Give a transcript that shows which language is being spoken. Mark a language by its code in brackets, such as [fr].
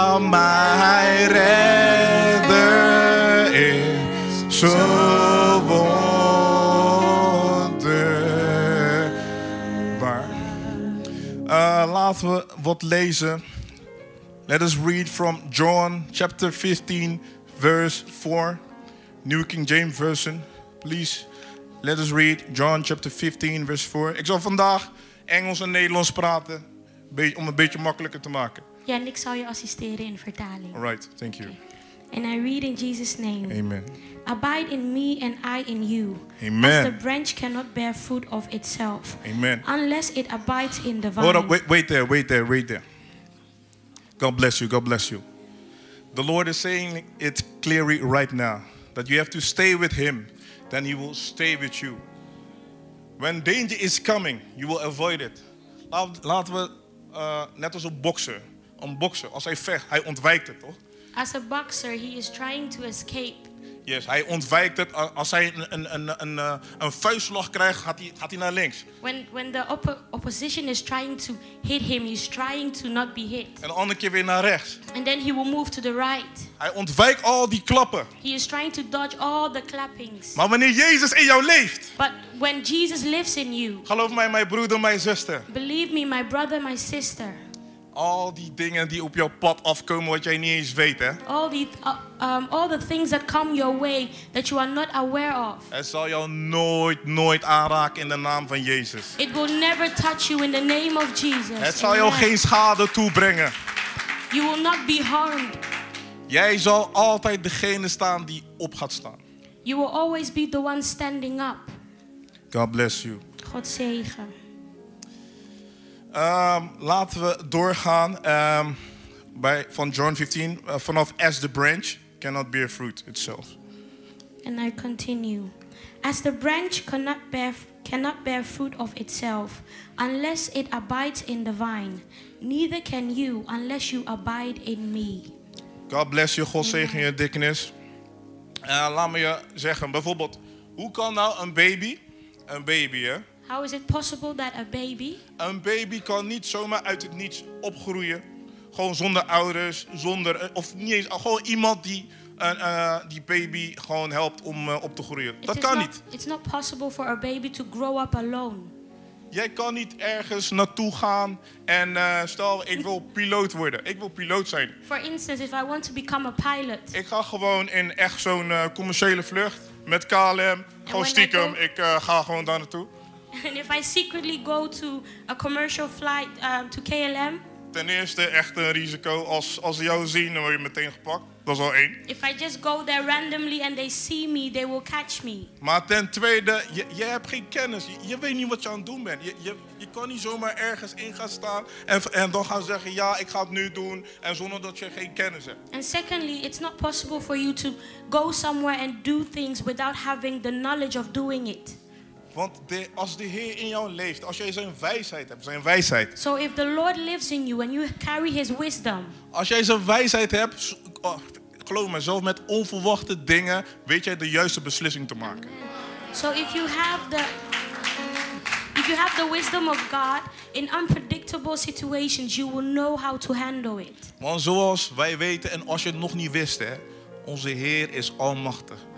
[nl] Mijn redder is zo wonderbaar. Laten we wat lezen. [en] Let us read from John chapter 15, verse 4. New King James Version. Please, let us read John chapter 15, verse 4. [nl] Ik zal vandaag Engels en Nederlands praten, om een beetje makkelijker te maken. Ja, en ik zal je assisteren in vertaling. [en] All right, thank you. And I read in Jesus' name. Amen. Abide in me and I in you. Amen. As the branch cannot bear fruit of itself. Amen. Unless it abides in the vine. Hold up, wait there. God bless you. The Lord is saying it clearly right now. That you have to stay with him. Then he will stay with you. When danger is coming, you will avoid it. [nl] Laten we, net als een bokser, als hij vecht, hij ontwijkt het, toch? [en] As a boxer, he is trying to escape. [nl] Yes, hij ontwijkt het. Als hij een vuistslag krijgt, gaat hij naar links. [en] When the opposition is trying to hit him, he's trying to not be hit. [nl] En de andere keer weer naar rechts. [en] And then he will move to the right. [nl] Hij ontwijkt al die klappen. [en] He is trying to dodge all the clappings. [nl] Maar wanneer Jezus in jou leeft. [en] But when Jesus lives in you. [nl] Geloof mij, mijn broeder, mijn zuster. [en] Believe me, my brother, my sister. [nl] Al die dingen die op jouw pad afkomen wat jij niet eens weet, hè? [en] All the things that come your way that you are not aware of. [nl] Het zal jou nooit aanraken in de naam van Jezus. [en] It will never touch you in the name of Jesus. [nl] Het zal jou geen schade toebrengen. [en] You will not be harmed. [nl] Jij zal altijd degene staan die op gaat staan. [en] You will always be the one standing up. God bless you. [nl] God zegen. Laten we doorgaan bij van John 15 vanaf [en] as the branch cannot bear fruit itself. And I continue. As the branch cannot bear cannot bear fruit of itself unless it abides in the vine. Neither can you unless you abide in me. God bless you. [nl] God zegen je, [en] Dickness. [nl] Laat me je zeggen, bijvoorbeeld, hoe kan nou een baby, hè? [en] How is it possible that a baby? [nl] Een baby kan niet zomaar uit het niets opgroeien. Gewoon zonder ouders, zonder, of niet eens, gewoon iemand die die baby gewoon helpt om op te groeien. Dat kan niet. [en] It's not possible for a baby to grow up alone. [nl] Jij kan niet ergens naartoe gaan en stel, ik wil piloot worden. Ik wil piloot zijn. [en] For instance, if I want to become a pilot. [nl] Ik ga gewoon in echt zo'n commerciële vlucht met KLM. Gewoon stiekem, ik ga gewoon daar naartoe. [en] And if I secretly go to a commercial flight to KLM. [nl] Ten eerste echt een risico. Als ze jou zien, dan word je meteen gepakt. Dat is al één. [en] If I just go there randomly and they see me, they will catch me. [nl] Maar ten tweede, jij hebt geen kennis. Je weet niet wat je aan het doen bent. Je kan niet zomaar ergens in gaan staan en dan gaan zeggen, ja, ik ga het nu doen. En zonder dat je geen kennis hebt. [en] And secondly, it's not possible for you to go somewhere and do things without having the knowledge of doing it. [nl] Want als de Heer in jou leeft, als jij zijn wijsheid hebt, zijn wijsheid. [en] So if the Lord lives in you and you carry his wisdom. [nl] Als jij zijn wijsheid hebt, geloof me, zelf met onverwachte dingen weet jij de juiste beslissing te maken. [en] So if you have the wisdom of God in unpredictable situations, you will know how to handle it. [nl] Want zoals wij weten en als je het nog niet wist, hè, onze Heer is almachtig.